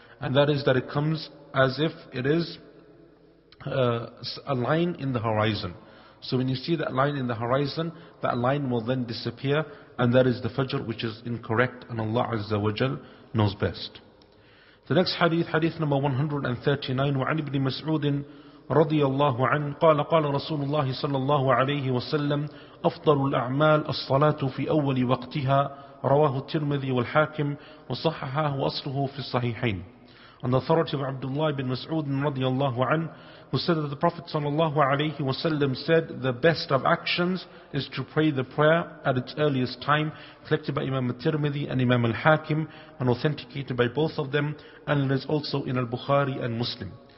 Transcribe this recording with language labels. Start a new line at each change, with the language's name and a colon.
English: And that is that it comes as if it is a line in the horizon. So when you see that line in the horizon, that line will then disappear, and that is the fajr which is incorrect, and Allah Azza wa Jal knows best. The next hadith, hadith number 139,
Arabic: وعن ابن مسعود رضي الله عنه قال قال رسول الله صلى الله عليه وسلم أفضل الأعمال الصلاة في أول وقتها رواه الترمذي والحاكم وصححه وأصله في الصحيحين.
English: On the authority of Abdullah ibn Mas'ud radiallahu an, who said that the Prophet sallallahu alayhi wa sallam said, the best of actions is to pray the prayer at its earliest time, collected by Imam al-Tirmidhi and Imam al-Hakim, and authenticated by both of them, and it is also in al-Bukhari and Muslim.